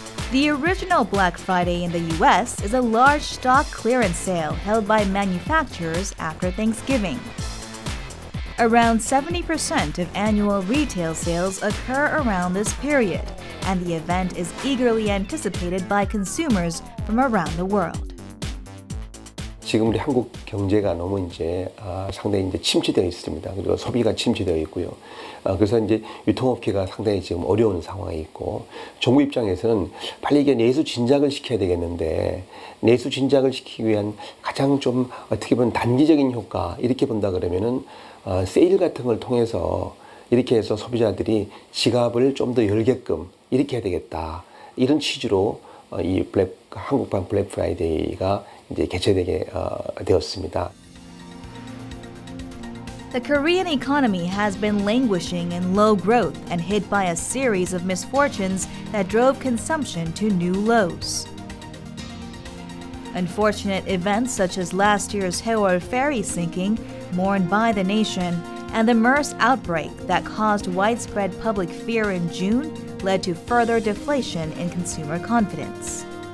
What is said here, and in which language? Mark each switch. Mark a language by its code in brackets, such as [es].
[en] The original Black Friday in the US is a large stock clearance sale held by manufacturers after Thanksgiving. Around 70% of annual retail sales occur around this period, and the event is eagerly anticipated by consumers from around the world. [ko] 지금 우리 한국 경제가 너무 이제 상당히 이제 침체되어 있습니다. 그리고 소비가 침체되어 있고요. 그래서 이제 유통업계가 상당히 지금 어려운 상황에 있고 정부 입장에서는 빨리 이게 내수 진작을 시켜야 되겠는데 내수 진작을 시키기 위한 가장 좀 어떻게 보면 단기적인 효과 이렇게 본다 그러면은 세일 같은 걸 통해서 이렇게 해서 소비자들이 지갑을 좀 더 열게끔 이렇게 해야 되겠다 이런 취지로 이 한국판 블랙 프라이데이가 이제 개최되게 되었습니다. [en] The Korean economy has been languishing in low growth and hit by a series of misfortunes that drove consumption to new lows. Unfortunate events such as last year's Haeol ferry sinking, mourned by the nation, and the MERS outbreak that caused widespread public fear in June led to further deflation in consumer confidence.